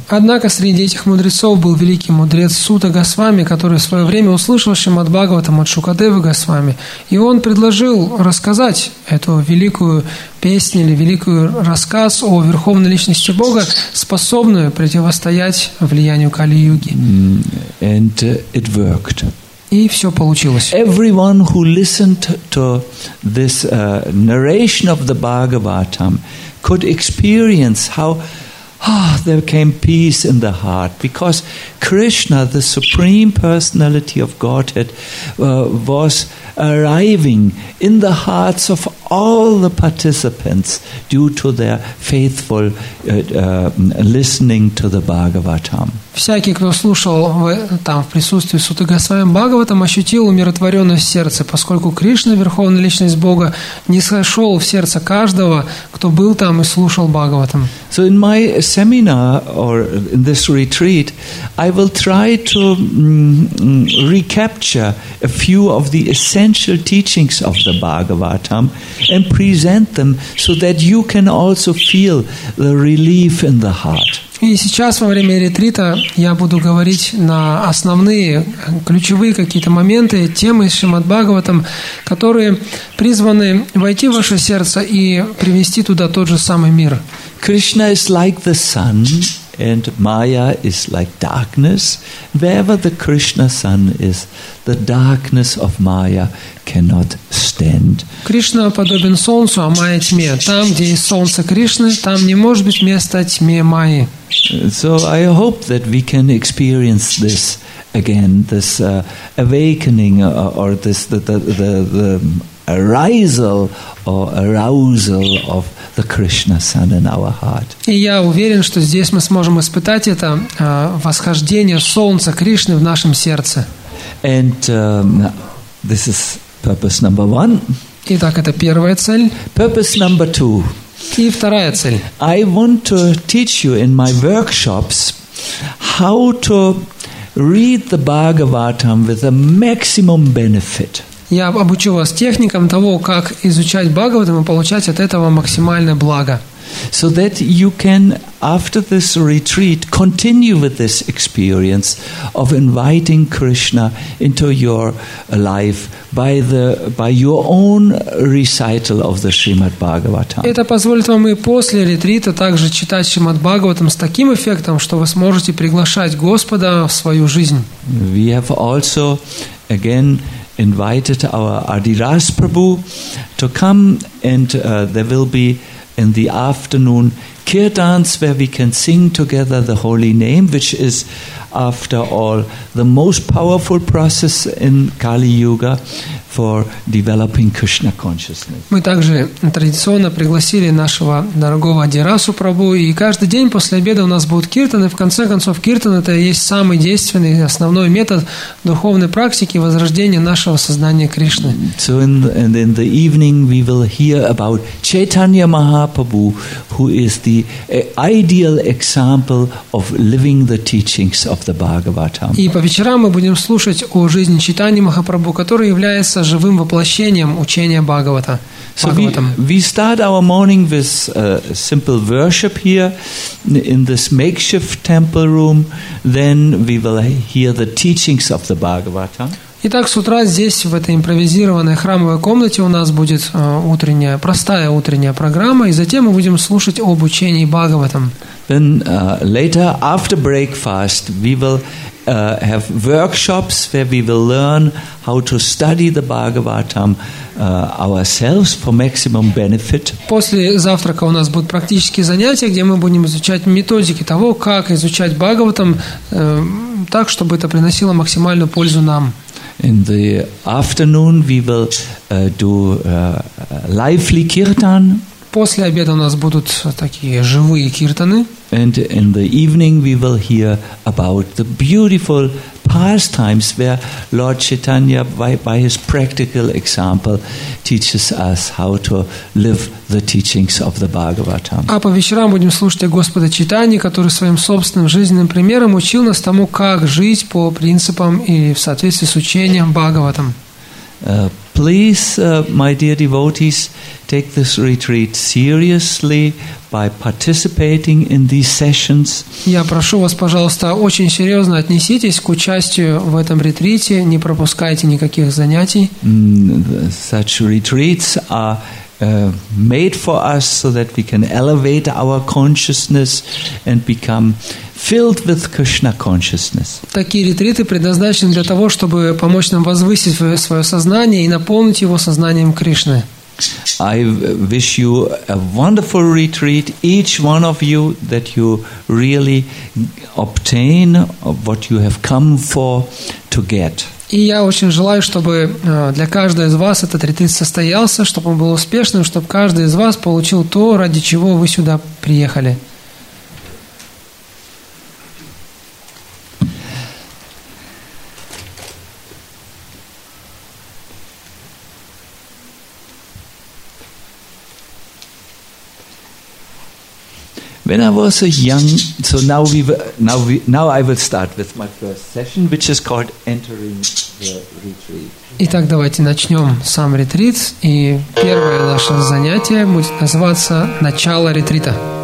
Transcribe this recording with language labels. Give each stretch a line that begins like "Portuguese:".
Russian: Однако среди этих мудрецов был великий мудрец Сута Госвами, который в свое время услышал Шримад Бхагаватам от Шукадева Госвами, и он предложил рассказать эту великую песни или великий рассказ о Верховной Личности Бога, способную противостоять влиянию Кали-юги.
English: And it worked.
Russian: И все получилось.
English: Everyone who listened to this narration of the Bhagavatam could experience how there came peace in the heart, because Krishna, the Supreme Personality of Godhead, was arriving in the hearts of all the participants due to their faithful listening to the Bhagavatam.
Russian: Всякий, кто слушал там в присутствии Суты Госвами Бхагаватам, ощутил умиротворенность в сердце, поскольку Кришна, Верховная Личность Бога, нисходил в сердце каждого, кто был там и слушал Бхагаватам.
English: So in my seminar or in this retreat, I will try to recapture a few of the essential teachings of the Bhagavatam and present them so that you can also feel the relief in the heart.
Russian: И сейчас во время ретрита я буду говорить на основные, ключевые какие-то моменты, темы Шримад Бхагаватам, которые призваны войти в ваше сердце и привести туда тот же самый мир.
English: Krishna is like the sun, and Maya is like darkness. Wherever the Krishna sun is, the darkness of Maya cannot stand.
Russian: Кришна подобен солнцу, а Майя тьме. Там, где есть солнце Кришны, там не может быть места тьме Майи.
English: So I hope that we can experience this again, this awakening or this the arisal or arousal of the Krishna sun in our heart.
Russian: И я уверен, что здесь мы сможем испытать это восхождение солнца Кришны в нашем сердце.
English: And this is purpose number one.
Russian: Итак, это первая цель.
English: Purpose number two.
Russian: И вторая цель.
English: I want to teach you in my workshops how to read the Bhagavatam with the maximum benefit.
Russian: Я обучу вас техникам того, как изучать Бхагаватам и получать от этого максимальное благо.
English: So that you can, after this retreat, continue with this experience of inviting Krishna into your life by your own recital of the Srimad Bhagavatam.
Russian: Это позволит вам и после ретрита также читать Шримад Бхагаватам с таким эффектом, что вы сможете приглашать Господа в свою жизнь.
English: We have also, again, invited our Adiras Prabhu to come, and there will be in the afternoon kirtans where we can sing together the holy name, which is after all the most powerful process in Kali Yuga for developing Krishna consciousness.
Russian: Мы также традиционно пригласили нашего дорогого Адирасу Прабу, и каждый день после обеда у нас будут киртаны. В конце концов, киртан — это и есть самый действенный основной метод духовной практики возрождения нашего сознания Кришны.
English: So in the evening we will hear about Chaitanya Mahaprabhu, who is the ideal example of living the teachings of the Bhagavatam.
Russian: И по вечерам мы будем слушать о жизни Чайтаньи Махапрабху, который является живым воплощением учения Бхагавата.
English: So we start our morning with simple worship here in this makeshift temple room. Then we will hear the teachings of the Bhagavatam.
Russian: Итак, с утра здесь, в этой импровизированной храмовой комнате, у нас будет утренняя, простая утренняя программа, и затем мы будем слушать об учении Бхагаватам.
English: Then later, after breakfast, we will have workshops where we will learn how to study the Bhagavatam ourselves for maximum benefit.
Russian: После завтрака у нас будут практические занятия, где мы будем изучать методики того, как изучать Бхагаватам так, чтобы это приносило максимальную пользу нам.
English: In the afternoon, we will do lively kirtan.
Russian: После обеда у нас будут такие живые киртаны.
English: And in the evening, we will hear about the beautiful pastimes where Lord Chaitanya, by his practical example, teaches us how to live the teachings of the Bhagavatam.
Russian: А по вечерам будем слушать Господа Чайтаньи, который своим собственным жизненным примером учил нас тому, как жить по принципам и в соответствии с учением Бхагаватам.
English: Please, my dear devotees, take this retreat seriously by participating in these sessions.
Russian: Я прошу вас, пожалуйста, очень серьезно отнеситесь к участию в этом ретрите, не пропускайте никаких занятий.
English: Such retreats are made for us so that we can elevate our consciousness and become filled with Krishna consciousness.
Russian: Такие ретриты предназначены для того, чтобы помочь нам возвысить свое сознание и наполнить его сознанием Кришны.
English: I wish you a wonderful retreat, each one of you, that you really obtain what you have come for to get.
Russian: И я очень желаю, чтобы для каждого из вас этот ретрит состоялся, чтобы он был успешным, чтобы каждый из вас получил то, ради чего вы сюда приехали.
English: When I was a young, so now we now we now I will start with my first session, which is called Entering the Retreat.
Russian: Итак, давайте начнем сам ретрит, и первое наше занятие будет называться «Начало ретрита».